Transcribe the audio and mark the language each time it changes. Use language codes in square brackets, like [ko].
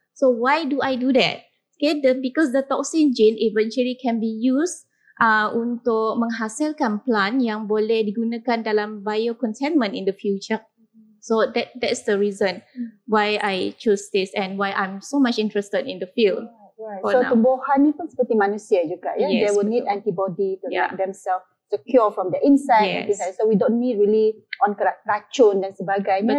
[en] So why do I do that? Okay, because the toxin gene eventually can be used [ms] untuk menghasilkan plant yang boleh digunakan dalam biocontainment [en] in the future. So that's the reason why I choose this and why I'm so much interested in the field. [ms] Right. So tumbuhan ni pun seperti manusia juga, ya. Yeah? [en] they will [ms] betul. [en] Need antibody to yeah. make themselves secure from the inside. Yes. So we don't need really on [ms] racun dan sebagainya